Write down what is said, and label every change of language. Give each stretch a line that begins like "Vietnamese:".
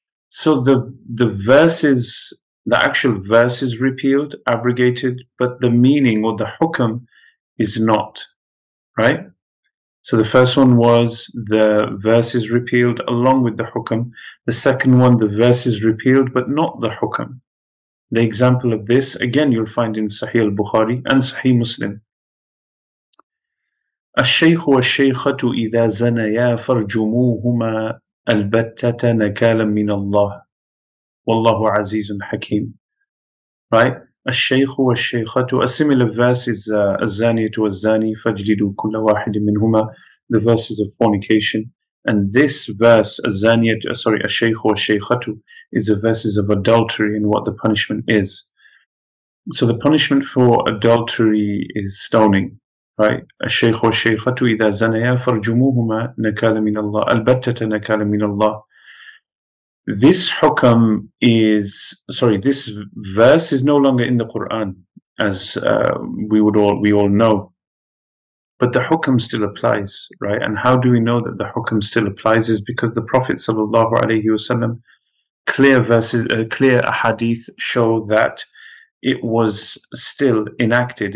English: So the verses, the actual verse is repealed, abrogated, but the meaning or the hukum is not, right? So the first one was the verse is repealed along with the hukum. The second one, the verse is repealed, but not the hukum. The example of this, again, you'll find in Sahih al-Bukhari and Sahih Muslim.
Arabic: الشيخ والشيخة إذا زنيا فرجموهما البتتَ نَكَالًا مِنَ اللَّهِ وَاللَّهُ عَزِيزٌ حَكِيمٌ.
English: Right?
Arabic: الشَّيْخُ وَالشَّيْخَةُ.
English: A similar verse is
Arabic: الزَّانِيَةُ وَالزَّانِي فَاجْلِدُوا كُلَّ وَاحِدٍ مِّنْهُمَا.
English: The verses of fornication. And this verse,
Arabic: الشَّيْخُ وَالشَّيْخَةُ,
English: is a verse of adultery and what the punishment is. So the punishment for adultery is stoning. Right,
Arabic: الشيخ والشيخة إذا زنيا فرجموهما نكالا من الله البتة نكالا من الله.
English: This hukam is, sorry, this verse is no longer in the Quran, as we all know. But the hukam still applies, right? And how do we know that the hukam still applies? Is because the Prophet sallallahu alaihi wasallam, clear verses, clear ahadith show that it was still enacted.